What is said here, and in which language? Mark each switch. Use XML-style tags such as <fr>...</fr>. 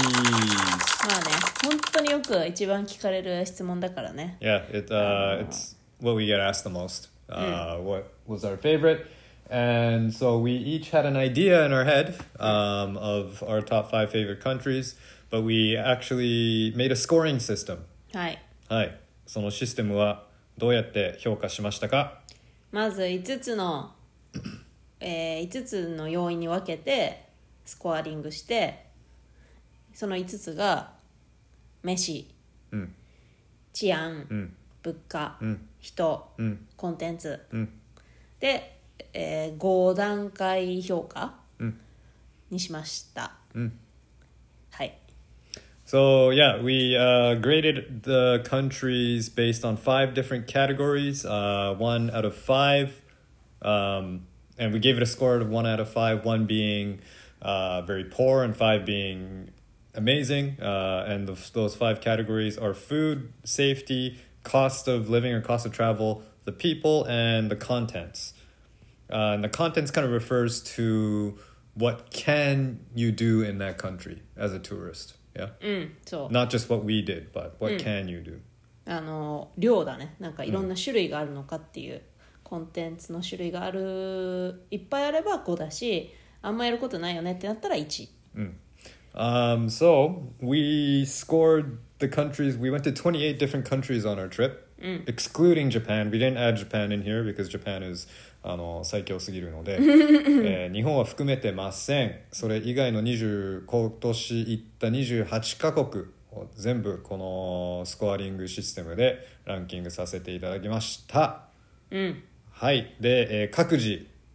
<ja>まあね、本当によく一番聞かれる質問だからね。</ja> <en>Yeah, it's what we get asked the most. What was our favorite? And so we each had an idea in our head of our top five favorite countries, but we actually made a scoring system.</en> <ja>はい。はい。そのシステムはどうやって評価しましたか？まず5つの、5つの要因に分けてスコアリングして、その5つが飯、うん、治安、うん、物価、うん、人、うん、コンテンツ、うん、で5段階評価にしました。うん、はい。</ja> <en>So yeah, we graded the countries based on 5 different categories, 1 out of 5, and we gave it a score of 1 out of 5, 1 being very poor and 5 being amazing, and those 5 categories are food, safety, cost of living or cost of travel, the people, and the contents. And the contents kind of refers to what can you do in that country as a tourist, yeah?</en> <ja>そう。</ja> <en>Not just what we did, but what can you do?</en> <ja>量だね。なんかいろんな種類があるのかっていう、コンテンツの種類がある、いっぱいあれば5だし、あんまやることないよねってなったら1。</ja> <en>So we scored the countries, we went to 28 different countries on our trip, excluding Japan. We didn't add Japan in here because Japan is...</en> <ja>最強すぎるので、日本は含めてません。それ以外の今年行った28カ国を全部このスコアリングシステムでランキングさせていただきました。うん、はい。で、各自</ja>